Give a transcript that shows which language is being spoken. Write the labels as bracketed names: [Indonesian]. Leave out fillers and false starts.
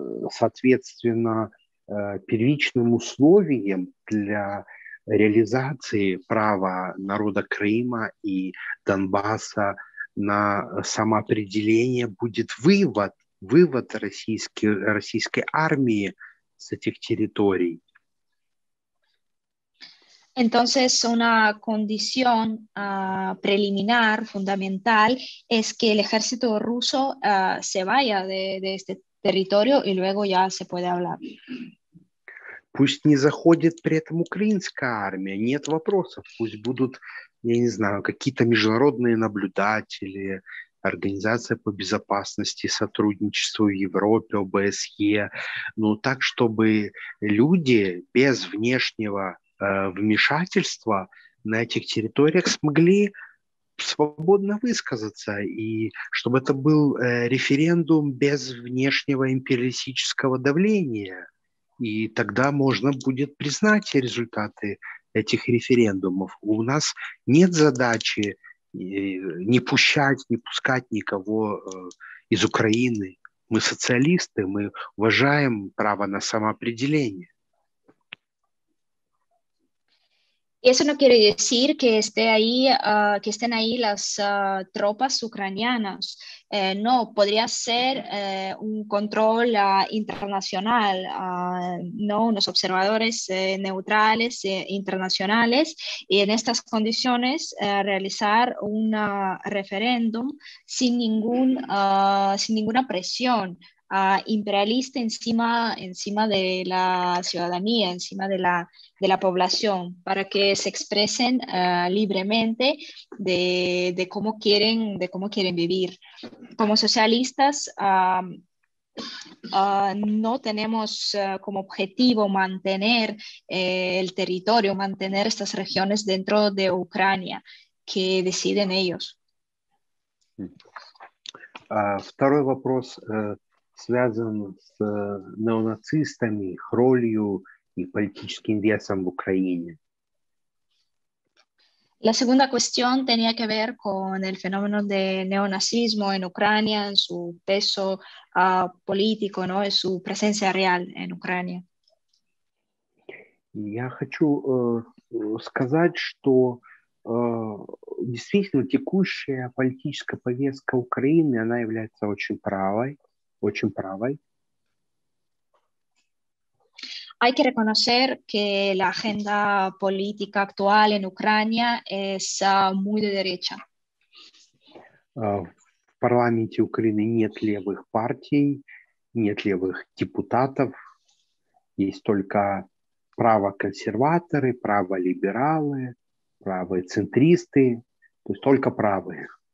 [Russian] Соответственно, первичным условием для реализации права народа Крыма и Донбасса на самоопределение будет вывод российской армии с этих территорий. [Spanish] Entonces, una condición preliminar, fundamental, es que el ejército ruso se vaya de este territorio y luego ya se puede hablar. [Russian] Пусть не заходит при этом украинская армия, нет вопросов, пусть будут, я не знаю, какие-то международные наблюдатели, Организация по безопасности, сотрудничеству в Европе, ОБСЕ, ну так, чтобы люди без внешнего вмешательства на этих территориях смогли свободно высказаться, и чтобы это был референдум без внешнего империалистического давления, и тогда можно будет признать результаты этих референдумов. У нас нет задачи не пускать никого из Украины. Мы социалисты, мы уважаем право на самоопределение. [Spanish] Eso no quiere decir que esté ahí, que estén ahí las tropas ucranianas. No, podría ser un control internacional, no, unos observadores neutrales internacionales, y en estas condiciones realizar un referéndum sin ninguna presión imperialista encima de la ciudadanía, encima de la población, para que se expresen libremente de cómo quieren vivir. Como socialistas, no tenemos como objetivo mantener el territorio, mantener estas regiones dentro de Ucrania, que deciden ellos. [Russian] Второй вопрос. Связан с неонацистами, их ролью и политическим весом в Украине. [Spanish] La segunda cuestión tenía que ver con el fenómeno de neonazismo en Ucrania, en su peso político, ¿no? En su presencia real en Ucrania. [Russian] Я хочу сказать, что действительно текущая политическая повестка Украины, она является очень правой. Очень правой. [Spanish] Hay que reconocer que la agenda política actual en Ucrania es muy de derecha. [Russian] В парламенте Украины нет левых партий, нет левых депутатов, есть только право-консерваторы, право-либералы, правые центристы, то есть только правые.